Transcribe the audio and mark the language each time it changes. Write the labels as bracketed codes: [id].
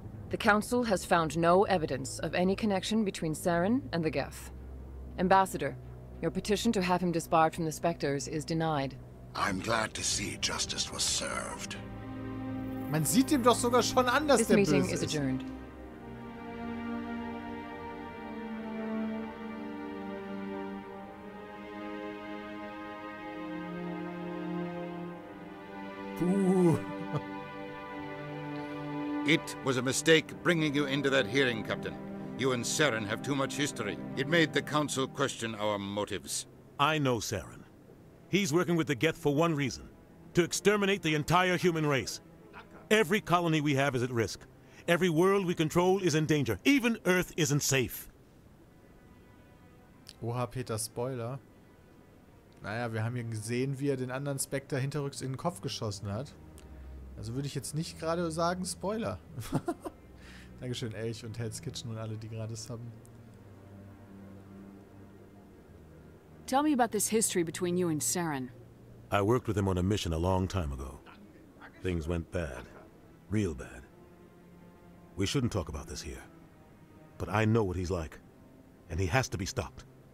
[en] The Council has found no evidence of any connection between Saren and the Geth. Ambassador, your petition to have him disbarred from the Spectres is denied. I'm glad to see justice was served. [de] Man sieht ihm doch sogar schon an, dass der böse ist. [en] This meeting is adjourned. Puh. It was a mistake bringing you into that hearing, Captain. You and Saren have too much history. It made the Council question our motives. I know Saren. He's working with the Geth for one reason. To exterminate the entire human race. Every colony we have is at risk. Every world we control is in danger. Even Earth isn't safe. [de] Oha, Peter, Spoiler. Naja, wir haben hier gesehen, wie er den anderen Spectre hinterrücks in den Kopf geschossen hat. Also würde ich jetzt nicht gerade sagen, Spoiler. Dankeschön, Elch und Hell's Kitchen und alle, die gerade subben. [en] Tell me about this history between you and Saren. I worked with him on a mission a long time ago. Things went bad. Real bad. We shouldn't talk about this here. But I know what he's like. And he has to be stopped.